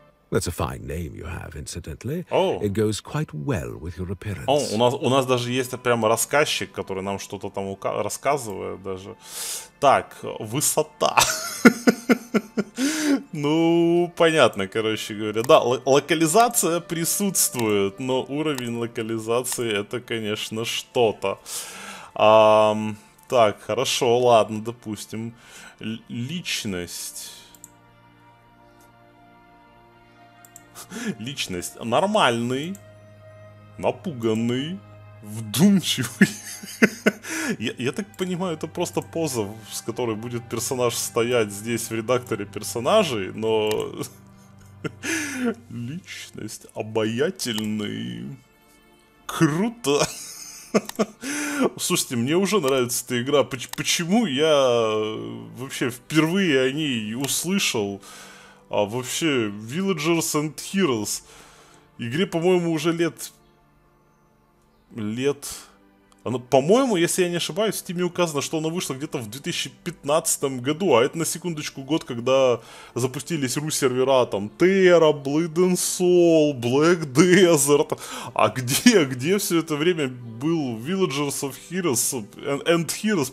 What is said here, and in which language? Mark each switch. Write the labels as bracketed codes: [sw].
[en] That's a fine name you have, incidentally. Oh. It goes quite well with your appearance. [ru] О, у нас даже есть прямо рассказчик, который нам что-то там рассказывает даже. Так, высота. Ну, понятно, короче говоря. Да, локализация присутствует, но уровень локализации это, конечно, что-то. Так, хорошо, ладно, допустим. Личность. Личность нормальный, напуганный, вдумчивый. Я так понимаю, это просто поза, с которой будет персонаж стоять здесь в редакторе персонажей, но... Личность обаятельный. Круто. Слушайте, мне уже нравится эта игра. Почему я вообще впервые о ней услышал? А вообще, Villagers and Heroes. Игре, по-моему, уже лет... Она, по-моему, если я не ошибаюсь, в Стиме указано, что она вышла где-то в 2015 году. А это, на секундочку, год, когда запустились ру-сервера, там, Terra, Blood and Soul, Black Desert. А где все это время был Villagers of Heroes and Heroes?